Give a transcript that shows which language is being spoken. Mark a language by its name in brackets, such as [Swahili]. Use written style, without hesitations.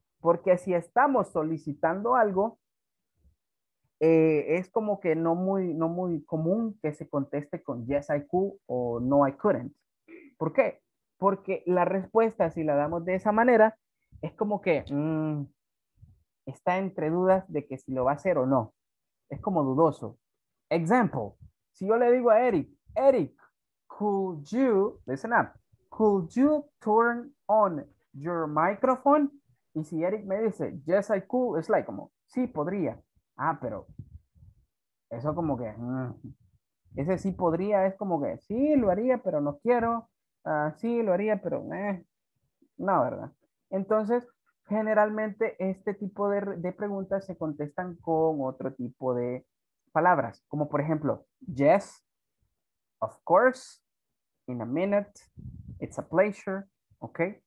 [Spanish] Porque si estamos solicitando algo, es como que no muy común que se conteste con [English] yes, I could [Spanish] o [English] no, I couldn't. [Spanish] ¿Por qué? Porque la respuesta, si la damos de esa manera, es como que está entre dudas de que si lo va a hacer o no. Es como dudoso. [English] Example, [Spanish] si yo le digo a Eric, Eric, [English] could you, listen up, could you turn on your microphone? [Spanish] Y si Eric me dice, [English] yes, I could, [Spanish] es like como, sí, podría. Ah, pero eso como que, ese sí podría, es como que, sí, lo haría, pero no quiero. Sí, lo haría, pero no, ¿verdad? Entonces, generalmente este tipo de preguntas se contestan con otro tipo de palabras, como por ejemplo, [English] yes, of course, in a minute, it's a pleasure, [Spanish] ¿ok?